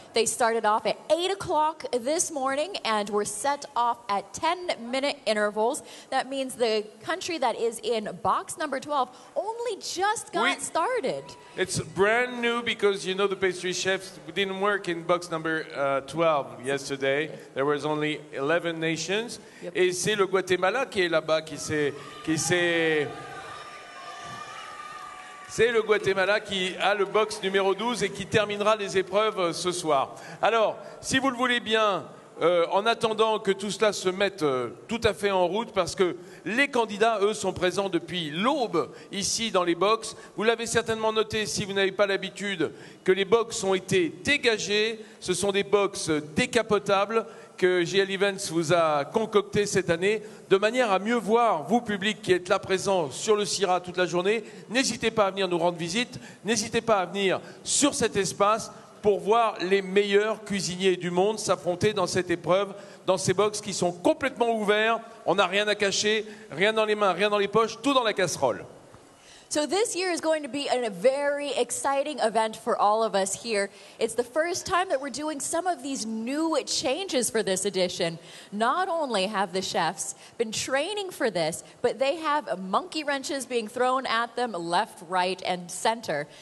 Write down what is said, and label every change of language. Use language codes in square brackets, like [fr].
[en] They started off at 8 o'clock this morning and were set off at 10-minute intervals. That means the country that is in box number 12 only just got started. It's brand new because, you know, the pastry chefs didn't work in box number 12 yesterday. There was only 11 nations. [fr] Yep. Et c'est le Guatemala qui est là-bas qui s'est... C'est le Guatemala qui a le box numéro 12 et qui terminera les épreuves ce soir. Alors, si vous le voulez bien, en attendant que tout cela se mette tout à fait en route, parce que les candidats, eux, sont présents depuis l'aube ici dans les box. Vous l'avez certainement noté, si vous n'avez pas l'habitude, que les box ont été dégagés. Ce sont des box décapotables que GL Events vous a concocté cette année, de manière à mieux voir, vous, public, qui êtes là présent sur le CIRA toute la journée. N'hésitez pas à venir nous rendre visite, n'hésitez pas à venir sur cet espace pour voir les meilleurs cuisiniers du monde s'affronter dans cette épreuve, dans ces box qui sont complètement ouverts. On n'a rien à cacher, rien dans les mains, rien dans les poches, tout dans la casserole. [en] So this year is going to be a very exciting event for all of us here. It's the first time that we're doing some of these new changes for this edition. Not only have the chefs been training for this, but they have monkey wrenches being thrown at them left, right, and center.